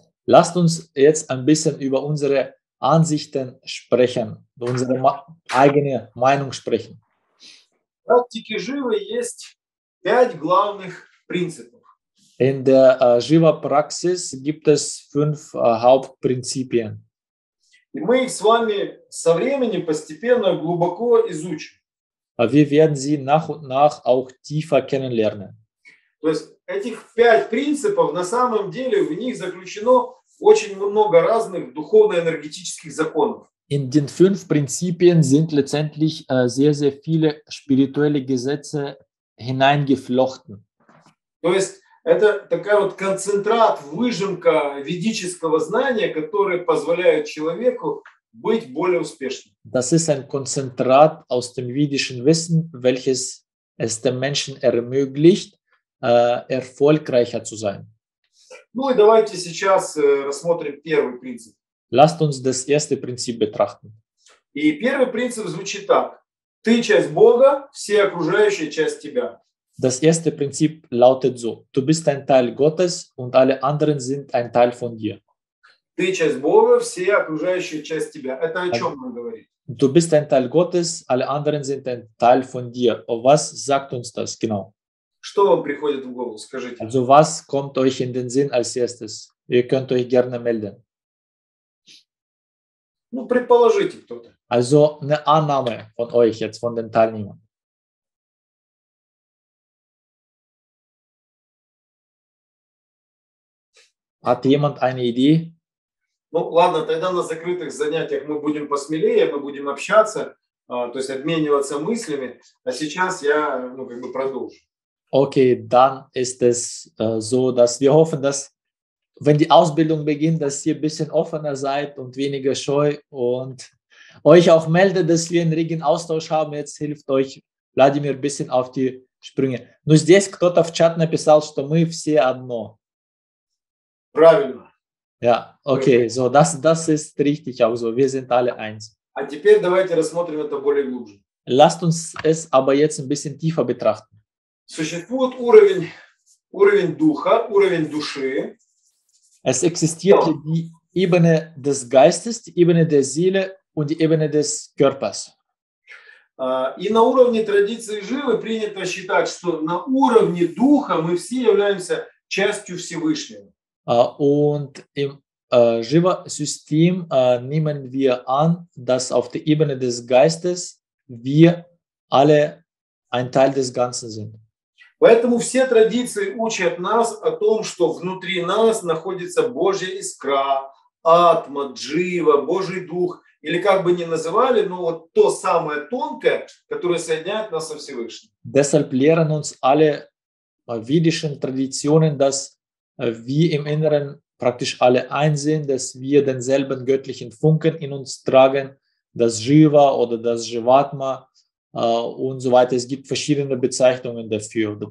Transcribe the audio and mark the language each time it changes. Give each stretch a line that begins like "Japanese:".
German: Lasst uns jetzt ein bisschen über unsere Ansichten sprechen, unsere eigene Meinung sprechen.
Russian: В практике Живы есть 5 главных принципов.
German: In der Jiva-Praxis gibt es 5 Hauptprinzipien.
Russian: И мы их с вами со временем постепенно глубоко изучим.
German: Wir werden sie nach und nach auch tiefer kennenlernen.
Russian: То есть этих 5 принципов, на самом деле в них заключено очень много разных духовно-энергетических законов.
German: In den 5 Prinzipien sind letztendlich sehr, sehr viele spirituelle Gesetze hineingeflochten.
Russian: То есть это такая вот концентрат, выжимка ведического знания, которое позволяет человеку быть более успешным.
German: Das ist ein Konzentrat aus dem ведischen Wissen, welches es dem Menschen ermöglicht, erfolgreicher zu sein.
Russian: Ну и давайте сейчас рассмотрим первый принцип.
German: Lasst uns das erste Prinzip betrachten.
Russian: И первый принцип звучит так. Ты часть Бога, все окружающие часть тебя.
German: Das erste Prinzip lautet so: Du bist ein Teil Gottes und alle anderen sind ein Teil von dir.
Russian: Ты часть Бога, все окружающие часть тебя. Это о чем он говорит?
German: Du bist ein Teil Gottes, alle anderen sind ein Teil von dir. Und was sagt uns das genau?
Russian: Что вам приходит в голову, скажите?
German: Also was kommt euch in den Sinn als erstes? Ihr könnt euch gerne melden.
Russian: Ну, предположите кто-то.
German: Also eine Annahme von euch jetzt, von den Teilnehmern. Hat jemand eine Idee?
Russian: Ну ладно, тогда на закрытых занятиях мы будем посмелее, мы будем общаться, то есть обмениваться мыслями, а сейчас я как бы продолжу.
German: Okay, dann ist es so, dass wir hoffen, dass wenn die Ausbildung beginnt, dass ihr ein bisschen offener seid und weniger scheu und euch auch meldet, dass wir einen regen Austausch haben. Jetzt hilft euch Wladimir ein bisschen auf die Sprünge.
Russian: Но здесь кто-то в чат написал, что мы все одно. Правильно.
German: Ja, okay, so, das ist richtig auch so. Wir sind alle eins.
Russian: А теперь давайте рассмотрим это более глубже.
German: Lasst uns es aber jetzt ein bisschen tiefer betrachten.
Russian: Существует уровень духа, уровень души.
German: Es existiert die Ebene des Geistes, die Ebene der Seele und die Ebene des Körpers.
Russian: И на уровне традиции Живы принято считать, что на уровне духа мы все являемся частью Всевышнего.
German: Und im Jiva-System nehmen wir an, dass auf der Ebene des Geistes wir alle ein Teil des Ganzen sind.
Russian: Поэтому все традиции учат нас о том, что внутри нас находится Божья искра, атма, джива, Божий дух, или как бы ни называли, но вот то самое тонкое, которое соединяет нас со Всевышним.
German: Deshalb lehren uns alle ведischen Traditionen, dass wir im Inneren praktisch alle eins sind, dass wir denselben göttlichen Funken in uns tragen, das Jiva oder das Jivatma. Und so weiter. Es gibt verschiedene Bezeichnungen dafür.